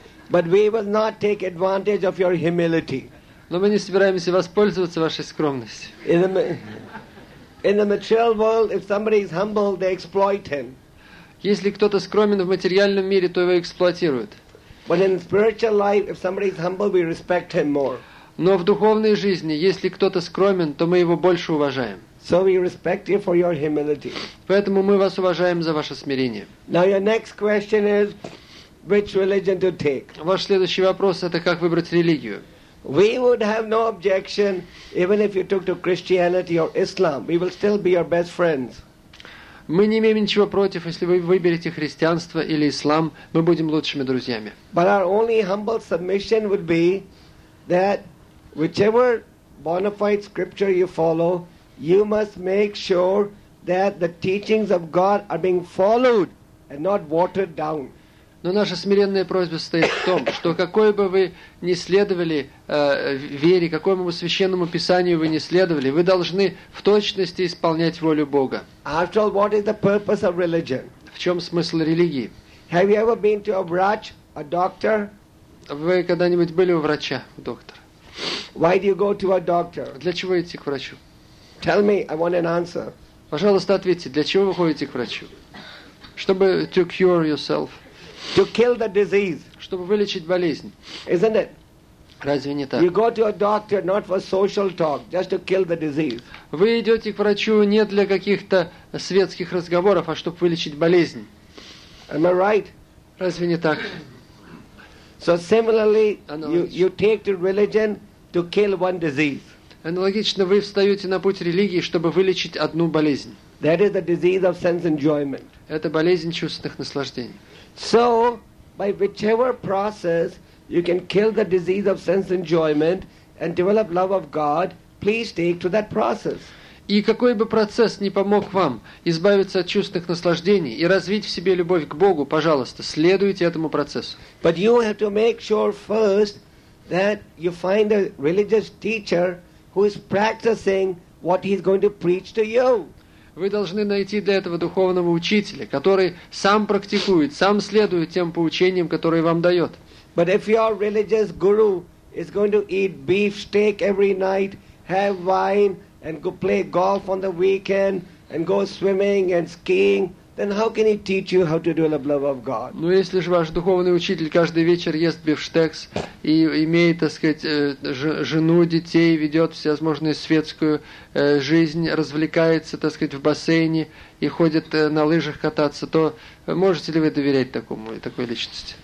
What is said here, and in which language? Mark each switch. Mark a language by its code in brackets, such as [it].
[en] But we will not take advantage of your humility. [ru] Но мы не собираемся воспользоваться вашей скромностью. [en] In the material world, if somebody is humble, they exploit him. [ru] Если кто-то скромен в материальном мире, то его эксплуатируют. [en] But in spiritual life, if somebody is humble, we respect him more. [ru] Но в духовной жизни, если кто-то скромен, то мы его больше уважаем. [en] So we respect you for your humility. [ru] Поэтому мы вас уважаем за ваше смирение. [en] Now your next question is, which religion to take? [ru] Ваш следующий вопрос – это как выбрать религию. [en] We would have no objection, even if you took to Christianity or Islam. We will still be your best friends. [ru] Мы не имеем ничего против, если вы выберете христианство или ислам, мы будем лучшими друзьями. [en] But our only humble submission would be that whichever bona fide scripture you follow, you must make sure that the teachings of God are being followed and not watered down. [ru] Но наша смиренная просьба состоит в том, что какой бы вы ни следовали вере, какому бы священному писанию вы ни следовали, вы должны в точности исполнять волю Бога. [en] After all, what is the purpose of religion? [ru] В чем смысл религии? [en] Have you ever been to a врач, a doctor? [ru] Вы когда-нибудь были у врача, у доктора? [en] Why do you go to a doctor? [ru] Для чего идти к врачу? [en] Tell me, I want an answer. [ru] Пожалуйста, ответьте, для чего вы ходите к врачу? [en] Чтобы to cure yourself. To kill the disease. [ru] Чтобы вылечить болезнь. [en] Isn't it? [ru] Разве не так? [en] You go to a doctor not for social talk, just to kill the disease. [ru] Вы идете к врачу не для каких-то светских разговоров, а чтобы вылечить болезнь. [en] Am I right? [ru] Разве не так? [en] So similarly, you take to religion to kill one disease. [ru] Аналогично, вы встаете на путь религии, чтобы вылечить одну болезнь. [en] That is the disease of sense enjoyment. [ru] Это болезнь чувственных наслаждений. [en] So, by whichever process you can kill the disease of sense enjoyment and develop love of God, please take to that process. [ru] И какой бы процесс ни помог вам избавиться от чувственных наслаждений и развить в себе любовь к Богу, пожалуйста, следуйте этому процессу. [en] But you have to make sure first that you find a religious teacher who is practicing what he's going to preach to you. [ru] Вы должны найти для этого духовного учителя, который сам практикует, сам следует тем поучениям, которые вам дает. [en] But if your religious guru is going to eat beef steak every night, have wine, and go play golf on the weekend, and go swimming and skiing, then how can he teach you how to develop love of God? [ru] Но если же ваш духовный учитель каждый вечер ест бифштекс и имеет, так сказать, жену, детей, ведет всевозможную светскую жизнь, развлекается, так сказать, в бассейне и ходит на лыжах кататься, то можете ли вы доверять такому, такой личности?